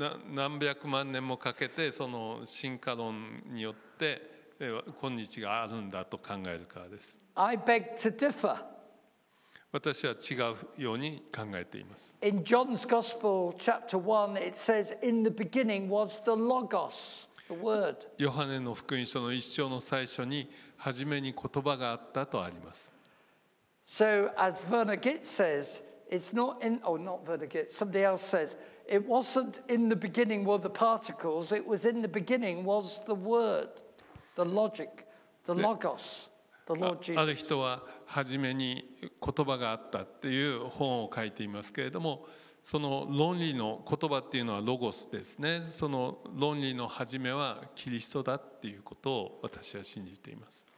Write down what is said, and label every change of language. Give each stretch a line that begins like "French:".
Japanese: 何百万年もかけてその進化論によって今日があるんだと考えるからです。
English: I beg to differ.
Japanese: 私は違うように考えています。
English: In John's Gospel, chapter 1, it says, In the beginning was the Logos, the Word.
Japanese: ヨハネの福音書の一章の最初に、初めに言葉があったとあります。
English: So, as Werner Gitt says, it's not in, oh, not Werner Gitt, somebody else says, it wasn't in the beginning were the particles, it was in the beginning was the Word, the Logic, the Logos, the Lord Jesus.
Japanese: ある人は、初めに言葉があったっていう本を書いていますけれども、その論理の言葉っていうのはロゴスですね。その論理の初めはキリストだっていうことを私は信じています。